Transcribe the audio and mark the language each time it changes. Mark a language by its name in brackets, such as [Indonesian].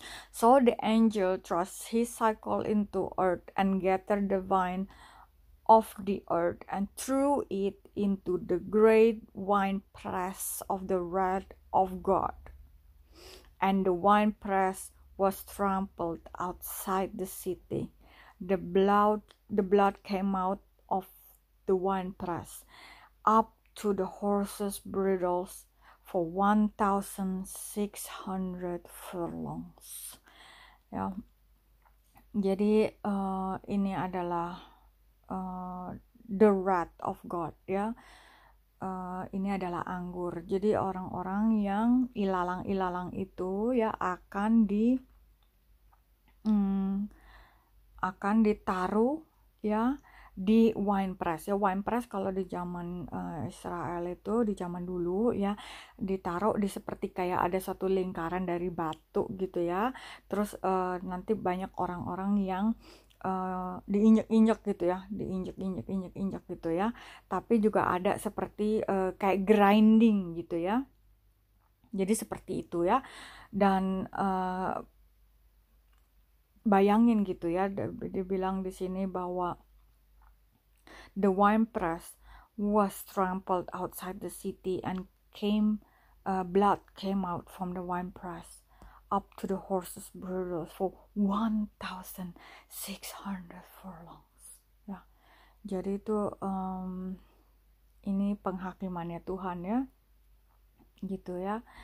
[English] So the angel thrust his sickle into earth and gathered the vine of the earth and threw it into the great wine press of the wrath of God, and the wine press was trampled outside the city. The blood came out of the wine press up to the horses' bridles for 1,600 furlongs. [Indonesian] Ya, jadi ini adalah [English] the wrath of God [Indonesian] ya. Ini adalah anggur. Jadi orang-orang yang ilalang-ilalang itu ya akan ditaruh ya di wine press. Ya wine press kalau di zaman Israel itu di zaman dulu ya ditaruh di seperti kayak ada satu lingkaran dari batu gitu ya. Terus nanti banyak orang-orang yang diinjek-injek gitu ya, diinjek-injek gitu ya. Tapi juga ada seperti kayak grinding gitu ya. Jadi seperti itu ya. Dan bayangin gitu ya, dibilang di sini bahwa [English] the wine press was trampled outside the city and blood came out from the wine press up to the horses' bridles for 1,600 furlongs. [Indonesian] Ya, jadi itu ini penghakimannya Tuhan ya, gitu ya.